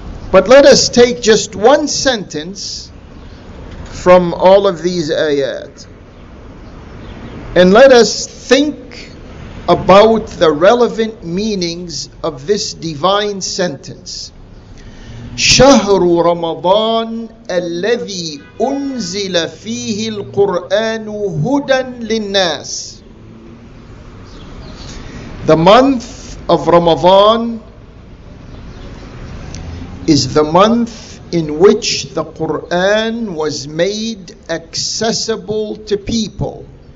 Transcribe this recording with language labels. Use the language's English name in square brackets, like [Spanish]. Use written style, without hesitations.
[English] But let us take just one sentence from all of these ayat, and let us think about the relevant meanings of this divine sentence. [Arabic] شهر رمضان الذي أنزل فيه القرآن هدى للناس. [English] The month of Ramadan is the month in which the Quran was made accessible to people.